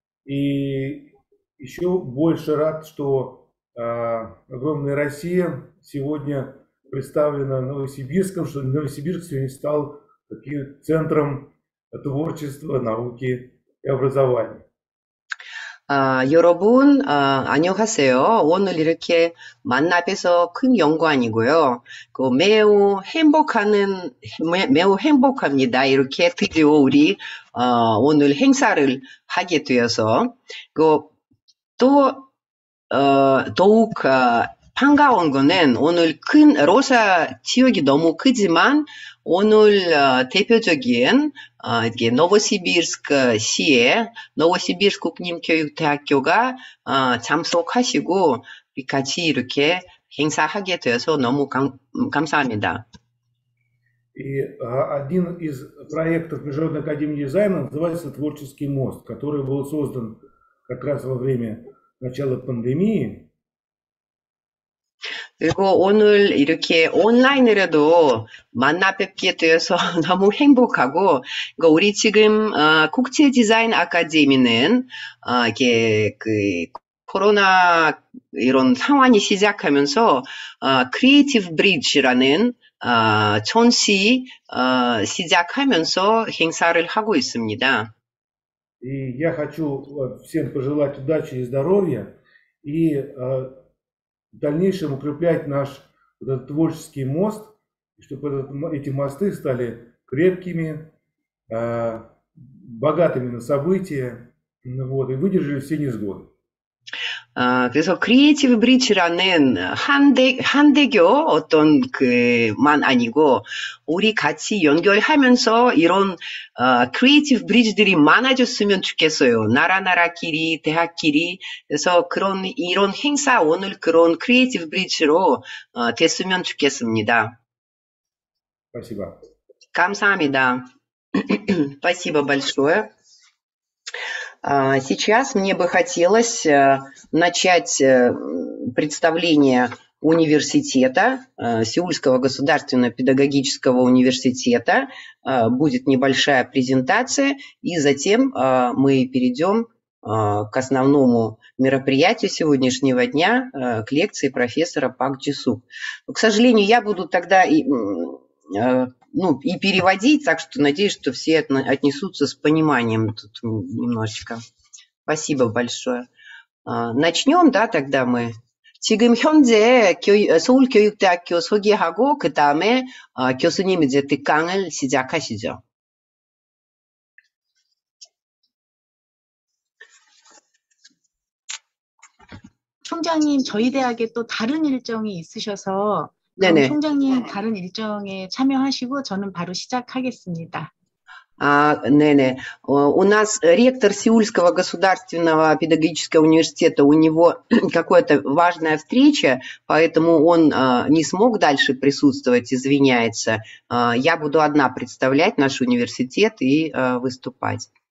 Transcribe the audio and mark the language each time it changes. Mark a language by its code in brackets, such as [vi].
[ru] И еще больше рад, что огромная Россия сегодня представлена Новосибирском, что Новосибирск сегодня стал таким центром творчества, науки и образования. [ko] Йоробун, 안녕하세요. 오늘 이렇게 만나뵈서 큰 영광이고요. 그 매우 행복하는 매우 행복합니다. 이렇게 드디어 우리 오늘 행사를 하게 되어서 그 또 더욱 반가운 거는 오늘 큰 로사 지역이 너무 크지만 오늘 대표적인 이게 노보시비르스크 시에 노보시비르스크 국립교육대학교가 참석하시고 같이 이렇게 행사하게 되어서 너무 감사합니다. [ru] И один из проектов Международной академии дизайна называется «Творческий мост», который был создан как раз во время начала пандемии. [ko] 그리고 오늘 이렇게 온라인으로도 만나 뵙게 되어서 너무 행복하고 그러니까 우리 지금 국제 디자인 아카데미는 이게 그 코로나 이런 상황이 시작하면서 크리에이티브 브릿지라는 전시 시작하면서 행사를 하고 있습니다. [ru] И я хочу всем пожелать удачи и здоровья и в дальнейшем укреплять наш вот этот творческий мост, чтобы эти мосты стали крепкими, богатыми на события, вот, и выдержали все невзгоды. [ko] 그래서 크리에이티브 브릿지라는 한대교 어떤 그만 아니고 우리 같이 연결하면서 이런 크리에이티브 브릿지들이 많아졌으면 좋겠어요. 나라나라끼리, 대학끼리 그래서 그런 이런 행사 오늘 그런 크리에이티브 브릿지로 됐으면 좋겠습니다. 감사합니다. 감사합니다. [ru] Спасибо большое. Сейчас мне бы хотелось начать представление университета, Сеульского государственного педагогического университета. Будет небольшая презентация, и затем мы перейдем к основному мероприятию сегодняшнего дня, к лекции профессора Пак Джи Сук. К сожалению, я буду тогда и переводить, так что надеюсь, что все отнесутся с пониманием тут немножечко. Спасибо большое. Начнем, да, тогда мы. [ko] 지금 현재 서울 교육대학교 소개하고 그 다음에 교수님 이제 특강을 시작하시죠. 총장님, 저희 대학에 또 다른 일정이 있으셔서. 총장님 다른 일정에 참여하시고 저는 바로 시작하겠습니다. [ru] Нене, у нас ректор Сеульского государственного педагогического университета, у него какая-то важная встреча, поэтому он не смог дальше присутствовать, извиняется. Я буду одна представлять наш университет и выступать.